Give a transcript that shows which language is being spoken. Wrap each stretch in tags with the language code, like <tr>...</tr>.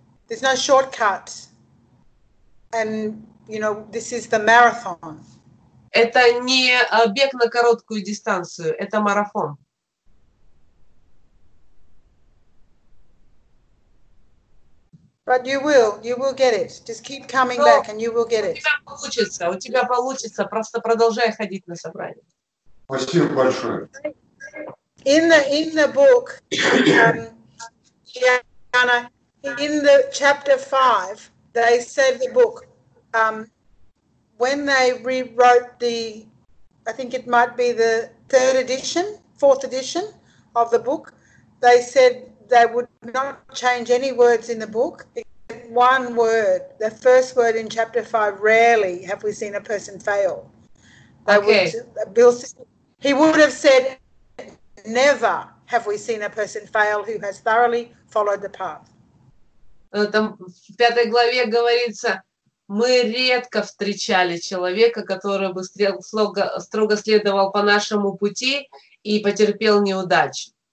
<en>There's no shortcut, and you know this is the marathon.</en> <ru>Это не бег на короткую дистанцию, это марафон.</ru> <en>But you will get it. Just keep coming back and you will get it.</en> <ru>У тебя получится, просто продолжай ходить на собрание. Спасибо большое.</ru> <en>In the book, Diana, In the chapter 5, they said the book, when they rewrote the, I think it might be the third edition, fourth edition of the book, they said they would not change any words in the book. One word, the first word in chapter 5, rarely have we seen a person fail. He would have said, never have we seen a person fail who has thoroughly followed the path.</en> <ru>Там в пятой главе говорится, мы редко встречали человека, который бы строго следовал по нашему пути и потерпел неудачу.</ru>